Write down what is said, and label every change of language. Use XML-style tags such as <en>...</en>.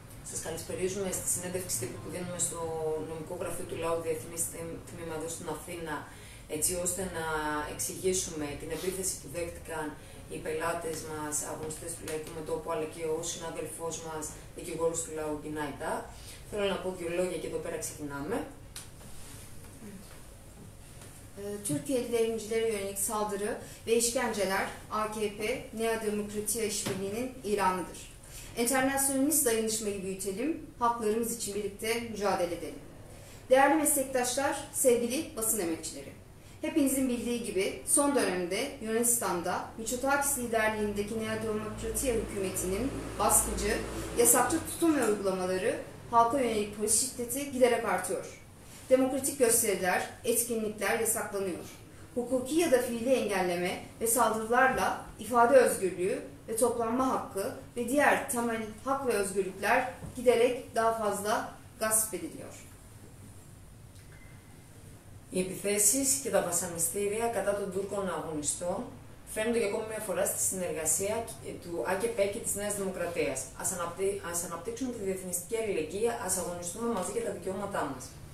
<el>Σας καλησπερίζουμε στη συνέντευξη τύπου που δίνουμε στο νομικό γραφείο του ΛΑΟ Διεθνής Τμήματος στην Αθήνα, έτσι ώστε να εξηγήσουμε την επίθεση που δέχτηκαν οι πελάτες μας, αγωνιστές του Λαϊκού Μετώπου, αλλά και ο συνάδελφός μας, δικηγόρος του ΛΑΟ Γκινάι Ντά. Θέλω να πω δύο λόγια και εδώ πέρα ξεκινάμε.</el> <tr>Türkiye'li devrimcilere yönelik saldırı ve işkenceler AKP, Nea Demokratia İşbirliği'nin ilanıdır. Enternasyonist dayanışmayı büyütelim, haklarımız için birlikte mücadele edelim. Değerli meslektaşlar, sevgili basın emekçileri, hepinizin bildiği gibi son dönemde Yunanistan'da Mitsotakis liderliğindeki Nea Demokratia hükümetinin baskıcı, yasakçı tutum ve uygulamaları halka yönelik polis şiddeti giderek artıyor. Demokratik gösteriler, etkinlikler yasaklanıyor. Hukuki ya da fiili engelleme ve saldırılarla ifade özgürlüğü ve toplanma hakkı ve diğer temel hak ve özgürlükler giderek daha fazla gasp ediliyor.</tr> <el>Οι επιθέσεις και τα βασανιστήρια κατά των Τούρκων αγωνιστών φαίνονται για ακόμη μια φορά στη συνεργασία του ΑΚΕΠ και της Νέας Δημοκρατίας. Ας αναπτύξουμε τη διεθνιστική αλληλεγγύη, ας αγωνιστούμε μαζί για τα δικαιώματά μας.</el>